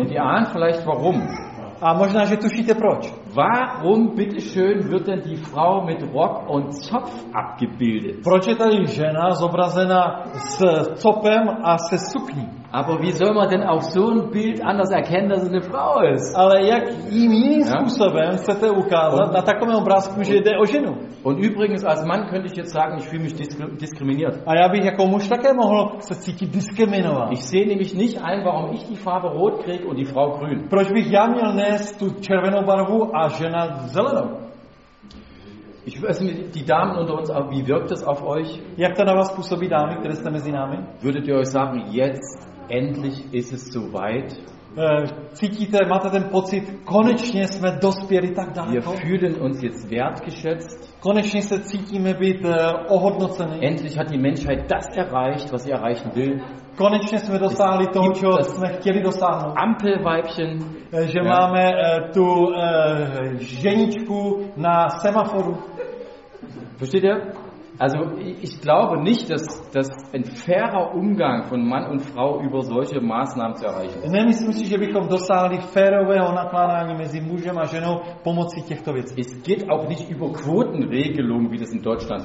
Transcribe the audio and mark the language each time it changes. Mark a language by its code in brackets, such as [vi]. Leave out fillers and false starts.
[de] Und ihr ahnt vielleicht warum. [cs] A možná, že tušíte proč. [de] Warum bitte schön wird denn die Frau mit Rock und Zopf abgebildet? [cs] Proč je tady žena zobrazena s copem a se sukní? [de] Aber wie soll man denn auf so ein Bild anders erkennen, dass es eine Frau ist? [cs] Ale jak jim jiným způsobem chcete ukázat na takovém obrázku, že jde o ženu? [de] Und übrigens, als Mann könnte ich jetzt sagen, ich fühle mich diskriminiert. [cs] A já bych jako muž také mohl se cítit diskriminovat. [de] Ich sehe nämlich nicht ein, warum ich die Farbe rot kriege und die Frau grün. [cs] Proč bych já měl nést tu červenou barvu a žena zelenou? [de] Ich weiß nicht, die Damen unter uns, wie wirkt das auf euch? [cs] Jak to na vás působí, dámy, které jste mezi námi? [de] Würdet ihr euch sagen, jetzt endlich ist es soweit. [cs] Cítíte, máte ten pocit, konečně jsme dospěli tak daleko. [de] Wir fühlen uns jetzt wertgeschätzt. [cs] Konečně se cítíme být ohodnoceni. [de] Endlich hat die Menschheit das erreicht, was sie erreichen will. [cs] Konečně jsme dosáhli toho, čeho jsme chtěli dosáhnout. [de] Ampelweibchen. [cs] Že máme tu ženičku na semaforu. [de] Versteht ihr? Also ich glaube nicht, dass ein fairer Umgang von Mann und Frau über solche Maßnahmen zu erreichen ist. [cs] Nemyslím si, že bychom dosáhli férového nakládání mezi mužem a ženou pomocí těchto věcí. [de] Es geht auch nicht über Quotenregelungen, wie das in Deutschland